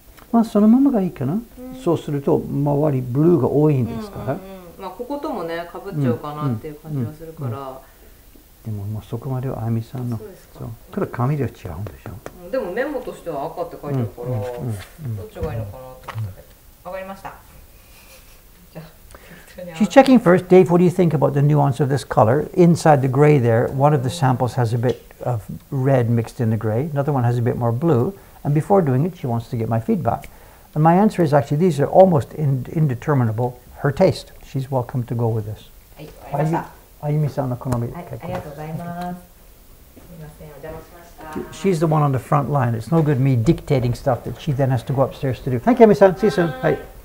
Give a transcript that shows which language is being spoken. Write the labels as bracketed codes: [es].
[ja] まあそのままがいいかな。そうすると周りブルーが多いんですから。まあこことも、ね、かぶっちゃうかなっていう感じはするから。でも、もうそこまではあゆみさんの、そう、ただ紙では違うんでしょ。でもメモとしては赤って書いてあるから、どっちがいいのかなと思ったけど。わかりました。 [en] She's checking first. Dave, what do you think about the nuance of this color? Inside the gray there, one of the samples has a bit of red mixed in the gray. Another one has a bit more blue. And before doing it, she wants to get my feedback. And my answer is actually, these are almost indeterminable. Her taste. She's welcome to go with this. [ja] はい、ありがとうございます。Ayumi-san の好み。はい、ありがとうございます。すみません、お邪魔しました。 [en] She's the one on the front line. It's no good me dictating stuff that she then has to go upstairs to do. Thank you, Ayumi-san. See you soon. Hi.